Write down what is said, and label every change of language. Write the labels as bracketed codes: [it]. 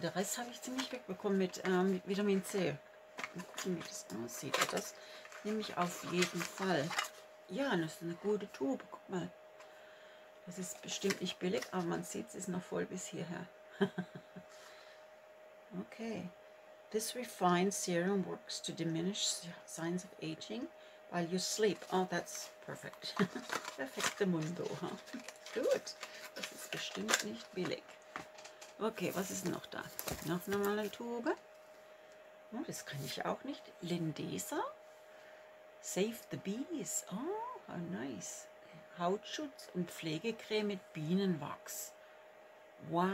[de] Der Rest habe ich ziemlich wegbekommen mit Vitamin C. Mal gucken, wie das aussieht. Das nehme ich auf jeden Fall. Ja, das ist eine gute Tube. Guck mal. Das ist bestimmt nicht billig, aber man sieht, es ist noch voll bis hierher. Okay. [en] This refined serum works to diminish signs of aging while you sleep. Oh, that's perfect. [de] Perfekte Mundo. Huh? Gut. Das ist bestimmt nicht billig. Okay, was ist noch da? Noch eine normale Tube. Oh, das kann ich auch nicht. Lindesa. [en] Save the Bees. Oh, how nice. [de] Hautschutz und Pflegecreme mit Bienenwachs. Wow.